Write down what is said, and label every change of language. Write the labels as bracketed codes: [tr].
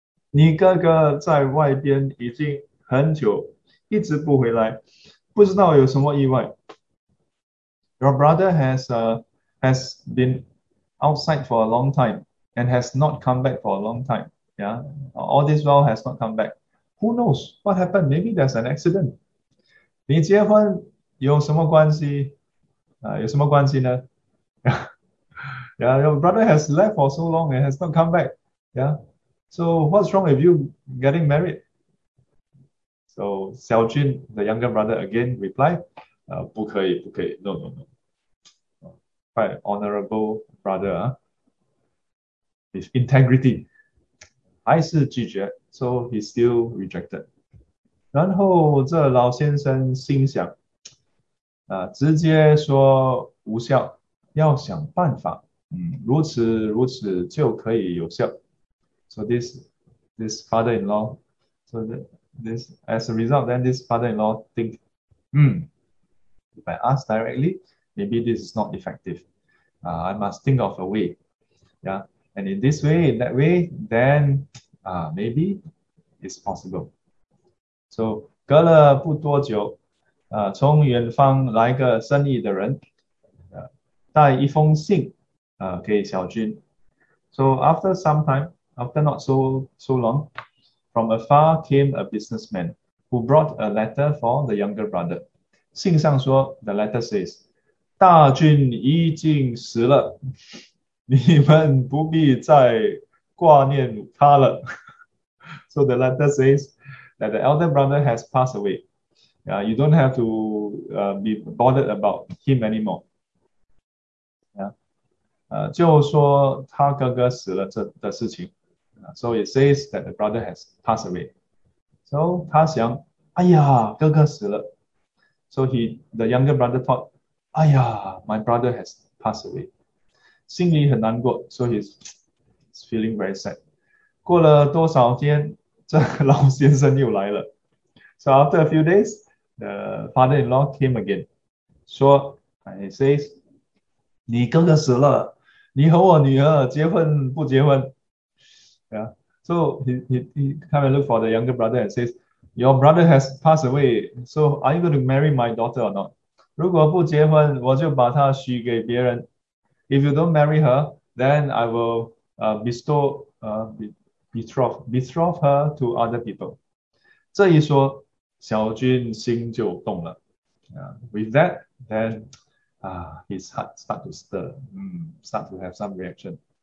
[zh] 你哥哥在外边已经很久，一直不回来，不知道有什么意外。 [en] Your brother has been outside for a long time and has not come back for a long time. All this while has not come back. Who knows what happened? Maybe there's an accident. [zh] 你结婚有什么关系？有什么关系呢 [en] ？Your brother has left for so long and has not come back. So what's wrong with you getting married? So 小俊 the younger brother, again reply, [zh] 不可以，不可以， [en] no, no, no. Quite honorable brother, with integrity， [zh] 还是拒绝， [en] so he's still rejected。 [zh] 然后这老先生心想，直接说无效，要想办法，如此就可以有效。 [en] So this father-in-law, so this as a result, then this father-in-law think, if I ask directly, maybe this is not effective. I must think of a way, And in this way, in that way, then maybe it's possible. [zh] So 隔了不多久，从远方来个生意的人，带一封信，给小军。 [en] So after some time, after not so long, from afar came a businessman who brought a letter for the younger brother. [zh] 信上说 [en] ，the letter says, [zh] 大军已经死了，你们不必再挂念他了。 [en] So the letter says that the elder brother has passed away. You don't have to be bothered about him anymore. [zh] 就说他哥哥死了这的事情。 [en] So it says that the brother has passed away. [zh] So 他想，哎呀，哥哥死了。 [en] So the younger brother thought, 哎呀，my brother has passed away. [zh] 心里很难过， [en] So he's feeling very sad. [zh] 过了多少天，这老先生又来了。 [en] So after a few days, the father-in-law came again. [zh] 说， [en] and he says, [zh] 你哥哥死了。你和我女儿结婚不结婚？ [en] Yeah. So he come and look for the younger brother and says, Your brother has passed away, so are you going to marry my daughter or not? [zh] 如果不结婚，我就把她许给别人。 [en] If you don't marry her, then I will betroth her to other people. [zh] 这一说，小军心就动了。 [en] With that, then his heart start to stir, start to have some reaction.